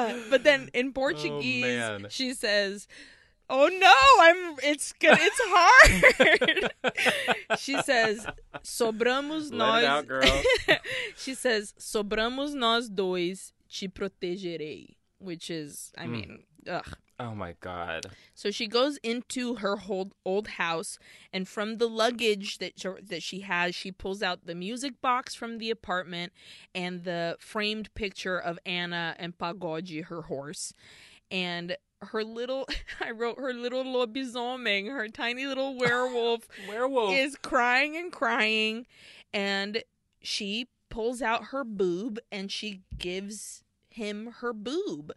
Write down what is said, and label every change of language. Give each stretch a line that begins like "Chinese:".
English: But then in Portuguese, she says,
Portuguese: oh no,
English: it's hard. She says,
Portuguese: sobramos nós.
English: Let it out, girl. She says,
Portuguese: sobramos nós dois, te protegerei.
English: Which is, I mean. Oh my God. So she goes into her old house, and from the luggage that she has, she pulls out the music box from the apartment and the framed picture of Anna and Pagode, her horse, and her little lobisomem, her tiny little werewolf, is crying and crying, and she pulls out her boob and she gives him her boob.